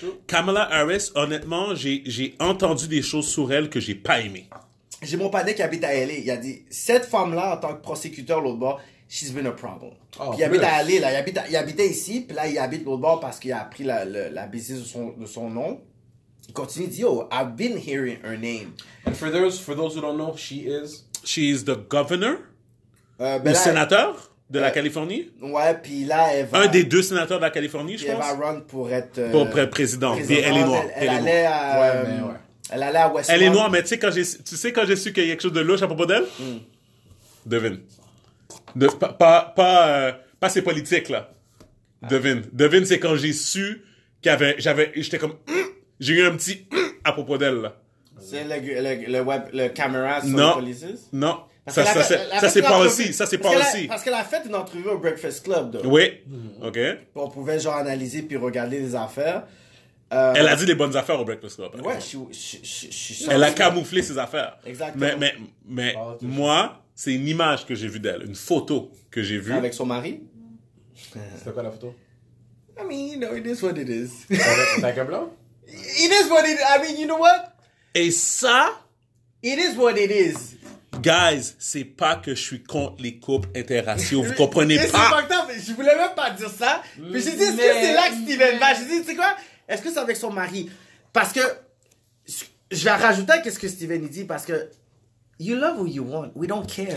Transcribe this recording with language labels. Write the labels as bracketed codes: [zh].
[fr] Kamala Harris, honnêtement, j'ai entendu des choses sur elle que j'ai pas aimé. J'ai mon panier qui habite à LA. Il a dit, cette femme-là, en tant que prosecutor l'autre bord, [en] she's been a problem. [fr] Oh, puis il habite à LA, là. Il habitait ici, puis là, il habite l'autre bord parce qu'il a pris la business de son nom. Il continue de dire, oh, [en] I've been hearing her name. And for those who don't know, she is [fr] the governor? Le sénateur? De la Californie? Ouais, puis là, elle va... Un des deux sénateurs de la Californie, je pense? Elle va run pour être... Pour président. Puis elle est noire. Elle allait à Westmont. Elle est noire, mais tu sais quand j'ai su qu'il y a quelque chose de louche à propos d'elle? Devine. Pas ses politiques, là. Devine. Devine, c'est quand j'ai su qu'il y avait... J'étais comme... J'ai eu un petit... à propos d'elle, là. C'est le camera sur les policiers? Non. Ça c'est pas aussi. Parce qu'elle a fait une entrevue au Breakfast Club. Donc. Oui. Mm-hmm. OK. Puis on pouvait genre analyser puis regarder les affaires. Elle a dit les bonnes affaires au Breakfast Club. Ouais, je suis Elle a camouflé ses affaires. Exactement. Mais moi, c'est une image que j'ai vue d'elle, une photo que j'ai vue. Avec son mari? C'était quoi la photo? [en] I mean, you know, it is what it is. Like a blanc? It is what it is. I mean, you know what? [fr] Et ça? [en] It is what it is. [fr] Guys, c'est pas que je suis contre les couples interraciaux, vous comprenez c'est pas. C'est pas je voulais même pas dire ça. Puis j'ai dit, est-ce que c'est là que Steven va? J'ai dit, tu sais quoi? Est-ce que c'est avec son mari? Parce que, je vais rajouter à ce que Steven dit, parce que, [en] you love who you want, we don't care.